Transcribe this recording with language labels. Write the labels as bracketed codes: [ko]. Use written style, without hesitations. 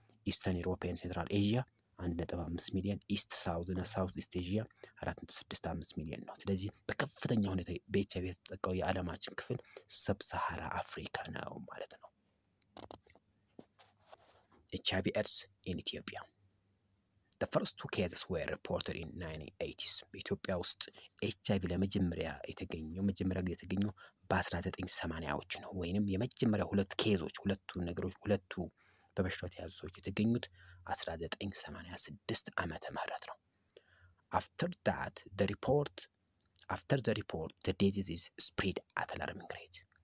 [am] ኢስተርን ዩሮፒያን ሴንትራል ኤዥያ 1.5 ሚሊዮን፣ ኢስት ሳውዝ እና ሳውዝ ኢስት ኤዥያ 465 ሚሊዮን ነው። ስለዚህ በከፍተኛ ሁኔታ በኤችአይቪ የተጠቃው የዓለማችን ክፍል ሰብ ሳሃራ አፍሪካ ነው ማለት ነው። [en] HIV AIDS in Ethiopia. The first two cases were reported in 1980s. [am] በኢትዮጵያ ውስጥ HIV ለመጀመሪያ የተገኘው በ1980ዎቹ ነው። ወይንም የመጀመሪያ ሁለት ኬዞች ሁለቱ በበሽታው ተያዙ ሰዎች የተገኙት 1986 ዓመተ ምህረት ነው። [en] After the report, the disease is spread at alarming rate.